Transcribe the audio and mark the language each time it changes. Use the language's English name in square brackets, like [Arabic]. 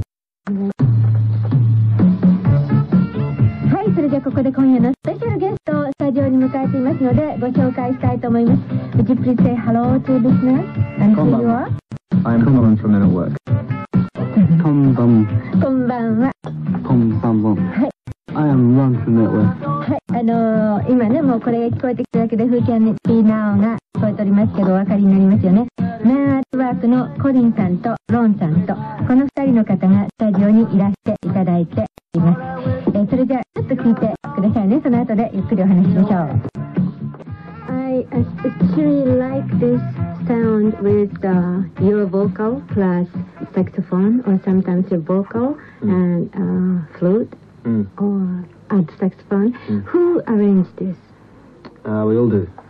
[Japanese] はい、それじゃあここで今夜のスペシャルゲストをスタジオに迎えていますのでご紹介したいと思います。 [English] Would you please say hello to the listener? And who you are? I'm Colin from Men at Work. [Japanese] こんばんは。こんばんは。こんばんは。はい。 [English] I am Ron from Men at Work. [Japanese] はい、今ね、もうこれが聞こえてきただけで Who can be now? が聞こえておりますけど、お分かりになりますよね。Men at Workのコリンさんとロンさんと、この二人の方がスタジオにいらしていただいています。それじゃあちょっと聞いてくださいね。その後でゆっくりお話ししましょう。 [English] I actually like this sound with your vocal plus saxophone or sometimes your vocal and flute or add saxophone. Who arranged this? We all do.